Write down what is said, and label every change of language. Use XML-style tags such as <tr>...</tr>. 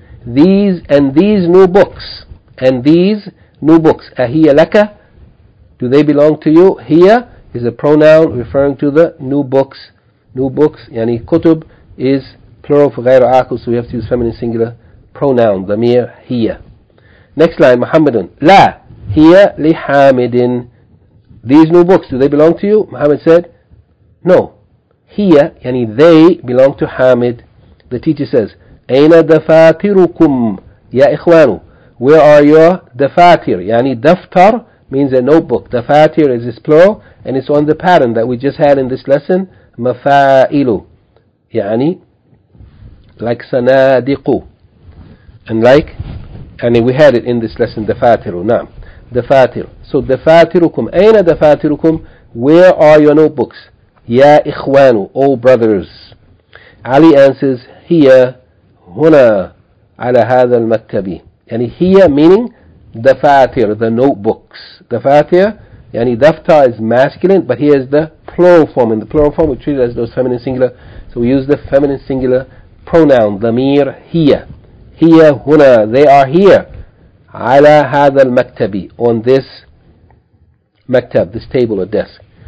<en>These new books. أهيَ لك? Do they belong to you? Here is a pronoun referring to the new books. New books, يعني كتب is plural for غير عاقل, so we have to use feminine singular pronoun, the mere here. Next line, Muhammadun.</en> <ar>لا, here لحامدٍ.</ar> <en>These new books, do they belong to you? Muhammad said, no. Here, yani they belong to Hamid.</en> <ar>The teacher says, أَيْنَ دَفَاتِرُكُمْ يَا إِخْوَانُ.</ar> <en>Where are your دَفَاتِر? Yani daftar means a notebook. دَفَاتِر is its plural, and it's on the pattern that we just had in this lesson.</en> <ar>مَفَائِلُ.</ar> <en>Yani, like سَنَادِقُ. And like, yani we had it in this lesson, دَفَاتِرُ.</en> <ar>نعم. دَفَاتِر. So, دَفَاتِرُكُمْ. أَيْنَ دَفَاتِرُكُمْ.</ar> <en>Where are your notebooks?</en> <ar>يا إخوانو,</ar> <en>O brothers.</en> <ar>Ali</ar> <en>answers, here,</en> <ar>هنا, على هذا المكتبي.</ar> <en>يعني here meaning دفاتر, the notebooks. دفاتر, يعني دفتر is masculine, but here is the plural form. In the plural form, we treat it as those feminine singular. So we use the feminine singular pronoun, ضمير here. Here, هنا, they are here.</en> <ar>على هذا المكتبي,</ar> <en>on this مكتب, this table or desk.</en>